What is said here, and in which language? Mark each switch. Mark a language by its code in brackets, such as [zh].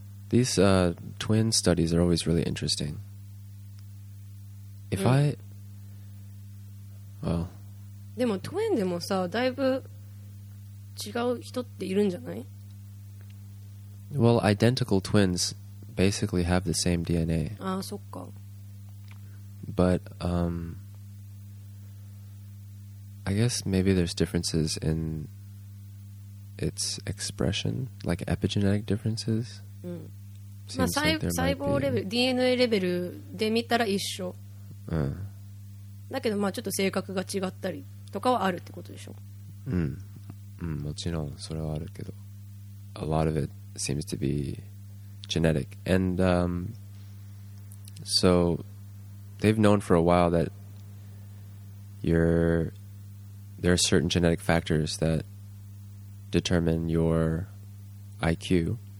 [en] These twin studies are always really interesting. If I... Well... [ja] でも、twin でもさ、だいぶ違う人っているんじゃない？ [en] Well, identical twins basically have the same DNA. [ja] ああ、そっか。 [en] But, I guess maybe there's differences in its expression, like epigenetic differences. [ja] うん。まあ、細胞レベル、DNA レベルで見たら一緒。うん。だけど、まあ、ちょっと性格が違ったりとかはあるってことでしょ。うん。うん、もちろん、それはあるけど。 [en] A lot of it seems to be genetic. And, so they've known for a while that there are certain genetic factors that determine your IQ.